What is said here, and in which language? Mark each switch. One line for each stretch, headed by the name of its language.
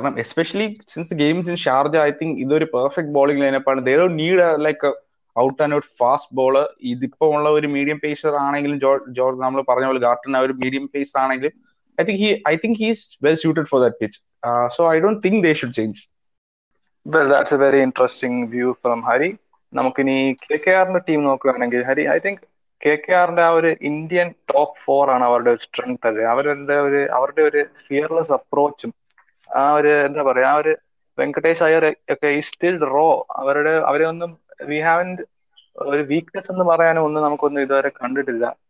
Malayalam: കാരണം
English: Especially since the games in Sharjah, I think ഇതൊരു perfect bowling lineup ആണ്. They don't need like out and out fast ball.
Malayalam: ഇതിപ്പോ ഉള്ള ഒരു medium pacer ആണെങ്കിലും George നമ്മൾ പറഞ്ഞ പോലെ ഗാർട്ടൻ ആ ഒരു മീഡിയം പേസർ ആണെങ്കിലും
English: I think he is well suited for that pitch. So I don't think they should change. Well, that's a very interesting view from Hari.
Malayalam: നമുക്ക് ഇനി കെകെആറിന്റെ ടീം നോക്കുകയാണെങ്കിൽ ഹരി,
English: I think
Malayalam: കെകെആറിന്റെ ആ ഒരു ഇന്ത്യൻ ടോപ്പ് 4 ആണ് അവരുടെ ഒരു strength അല്ലേ. അവരുടെ ഒരു ഫിയർലെസ് അപ്രോച്ചും ആ ഒരു എന്താ പറയാ, ആ ഒരു വെങ്കടേഷ് അയ്യർ ഒക്കെ ഈ സ്റ്റിൽ റോ, അവരുടെ അവരെ ഒന്നും
English: we have
Malayalam: ഒരു വീക്ക്നെസ് എന്ന് പറയാനോ ഒന്നും നമുക്കൊന്നും ഇതുവരെ കണ്ടിട്ടില്ല.